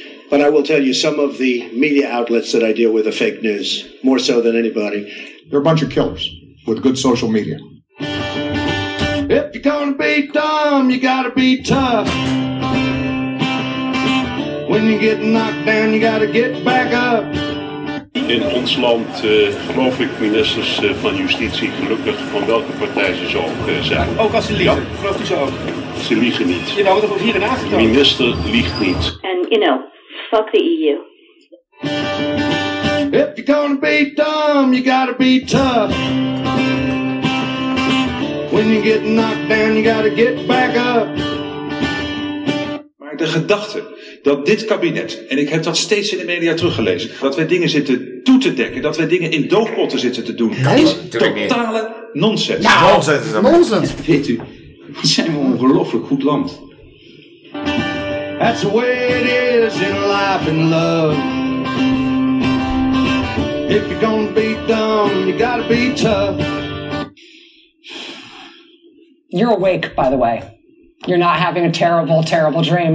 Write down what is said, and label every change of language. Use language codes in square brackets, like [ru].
[en] But I will tell you, some of the media outlets that I deal with are fake news, more so than anybody. They're a bunch of killers with good social media. If you're gonna be dumb, you gotta be tough. When you get knocked down, you gotta get back up. [nl] In ons land geloof ik ministers van justitie gelukkig van welke partij ze zo ook zijn. Ook als ze liegen? Ja. Gelooft u ze ook? Ze liegen niet. Ja, nou, dat wordt hier in aangetoond. Minister liegt niet. [en] And you know, fuck the EU. If you're gonna be dumb, you gotta be tough. When you get knocked down, you gotta get back up. [nl] De gedachte dat dit kabinet, en ik heb dat steeds in de media teruggelezen, dat wij dingen zitten toe te dekken, dat wij dingen in doofpotten zitten te doen, nee, is totale nonsens. Ja, nonsens is dat. Nonsens. Weet u, wat zijn we ongelooflijk goed land. [en] That's the way it is in life and love. If you're gonna be dumb, you gotta be tough. You're awake, by the way. You're not having a terrible, terrible dream.